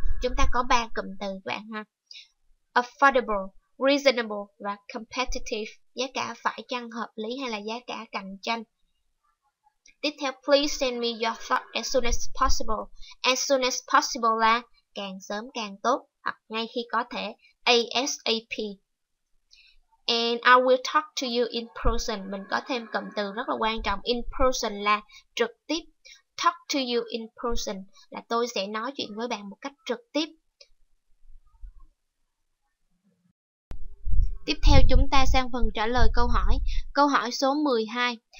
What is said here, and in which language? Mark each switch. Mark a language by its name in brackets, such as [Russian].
[Vietnamese] Chúng ta có 3 cụm từ bạn ha. Affordable, reasonable và competitive, giá cả phải chăng, hợp lý hay là giá cả cạnh tranh. Tiếp theo, [English] please send me your thought as soon as possible. [Vietnamese] As soon as possible là càng sớm càng tốt, hoặc ngay khi có thể, ASAP. [English] And I will talk to you in person. [Vietnamese] Mình có thêm cụm từ rất là quan trọng, in person là trực tiếp. Talk to you in person là tôi sẽ nói chuyện với bạn một cách trực tiếp. Tiếp theo chúng ta sang phần trả lời câu hỏi. Câu hỏi số 12.